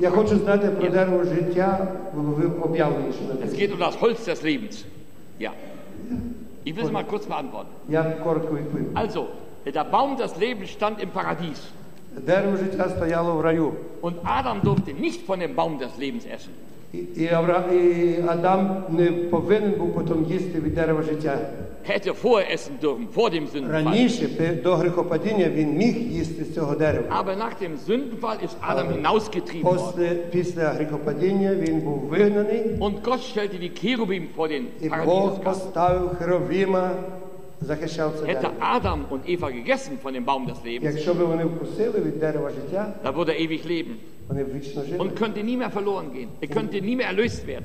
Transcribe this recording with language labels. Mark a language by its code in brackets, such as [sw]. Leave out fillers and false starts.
[uk] Я хочу знати про дерево життя в об'явленні. [de] Es geht um das Holz des Lebens. Ja. Ich will es mal kurz beantworten. [uk] Ja, коротко відповім. [de] Also, der Baum des Lebens stand im Paradies. [uk] Дерево життя стояло в раю. [de] Und Adam durfte nicht von dem Baum des Lebens essen. [uk] І Адам не повинен був потім їсти від дерева життя. [de] Hätte vorher essen dürfen, vor dem Sündenfall. [uk] Раніше, до грехопадіння, він міг їсти з цього дерева. [de] Aber nach dem Sündenfall ist Adam hinausgetrieben worden. [uk] Після грехопадіння він був вигнаний. [de] Und Gott stellte die Cherubim vor den Paradies. [uk] І Бог поставив херовима. [de] Hätte Adam und Eva gegessen von dem Baum des Lebens, [uk] якщо б вони вкусили від дерева життя, [de] da würde er ewig leben und könnte nie mehr verloren gehen. Er könnte nie mehr erlöst werden.